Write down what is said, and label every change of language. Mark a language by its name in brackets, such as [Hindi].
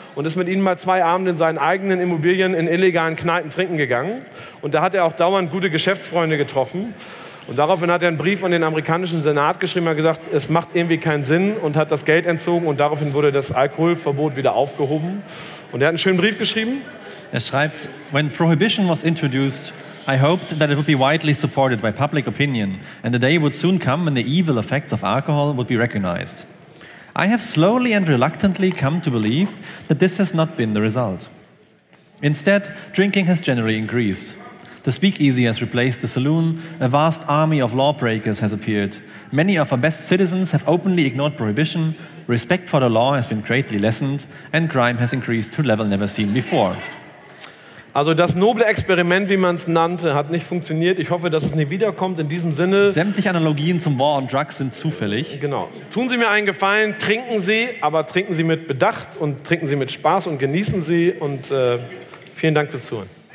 [German] Und ist mit ihnen mal 2 Abende in seinen eigenen Immobilien in illegalen Kneipen trinken gegangen. Und da hat er auch dauernd gute Geschäftsfreunde getroffen. Und daraufhin hat er einen Brief an den amerikanischen Senat geschrieben, hat gesagt, es macht irgendwie keinen Sinn und hat das Geld entzogen. Und daraufhin wurde das Alkoholverbot wieder aufgehoben. Und er hat einen schönen Brief geschrieben. Er schreibt, [English] when prohibition was introduced, I hoped that it would be widely supported by public opinion and the day would soon come when the evil effects of alcohol would be recognized. I have slowly and reluctantly come to believe that this has not been the result. Instead, drinking has generally increased. The speakeasy has replaced the saloon, a vast army of lawbreakers has appeared. Many of our best citizens have openly ignored prohibition, respect for the law has been greatly lessened, and crime has increased to a level never seen before. [German] Also das noble Experiment, wie man es nannte, hat nicht funktioniert. Ich hoffe, dass es nicht wiederkommt. In diesem Sinne... Sämtliche Analogien zum War on Drugs sind zufällig. Genau. Tun Sie mir einen Gefallen, trinken Sie, aber trinken Sie mit Bedacht und trinken Sie mit Spaß und genießen Sie. Und vielen Dank fürs Zuhören.